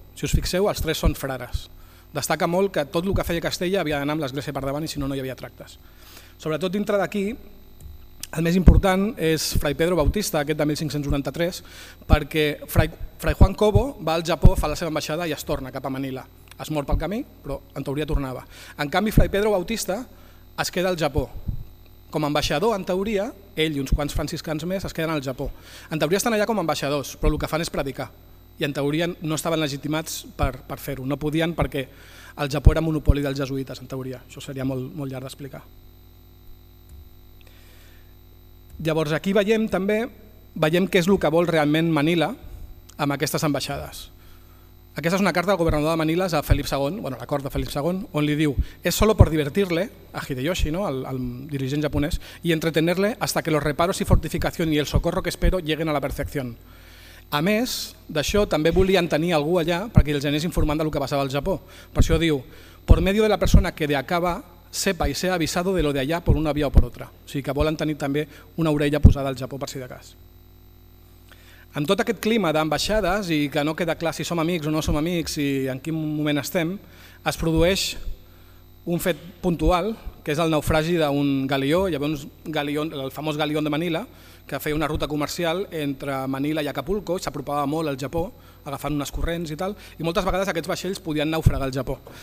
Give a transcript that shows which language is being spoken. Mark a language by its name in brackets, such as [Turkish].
[Catalan] Si us fixeu, els tres són frares. Destaca molt que tot el que feia Castella havia d'anar amb l'església per davant i si no, no hi havia tractes. Sobretot dintre d'aquí, el més important és Fray Pedro Bautista, aquest de 1593, perquè Fray Juan Cobo va al Japó, fa la seva ambaixada i es torna cap a Manila. Es mor pel camí, però en teoria tornava. En canvi, Fray Pedro Bautista es queda al Japó. Com a ambaixador, en teoria, ell i uns quants franciscans més es queden al Japó. En teoria estan allà com a ambaixadors, però el que fan és predicar. I en teoria no estaven legitimats per fer-ho. No podien perquè el Japó era monopoli dels jesuïtes, en teoria. Això seria molt, molt llarg d'explicar. Llavors, aquí veiem també què és el que vol realment Manila amb aquestes ambaixades. Aquesta és una carta del governador de Manila a Felip II, bueno, la cort de Felip II, on li diu: [Spanish] «Es solo por divertirle», [Catalan] a Hideyoshi, no?, el dirigent japonès, [Spanish] «y entretenerle hasta que los reparos y fortificación y el socorro que espero lleguen a la perfección». [Catalan] A més d'això, també volien tenir algú allà perquè els anés informant del que passava al Japó. Per això diu: [Spanish] «Por medio de la persona que de acaba sepa y sea avisado de lo de allá por una vía o por otra». [Catalan] O sigui que volen tenir també una orella posada al Japó per si de cas. En tot aquest clima d'ambaixades i que no queda clar si som amics o no som amics i en quin moment estem, es produeix un fet puntual, que és el naufragi d'un galió, llavors el famós galió de Manila, que feia una ruta comercial entre Manila i Acapulco, s'apropava molt al Japó, agafant unes corrents i tal, i moltes vegades aquests vaixells podien naufragar al Japó.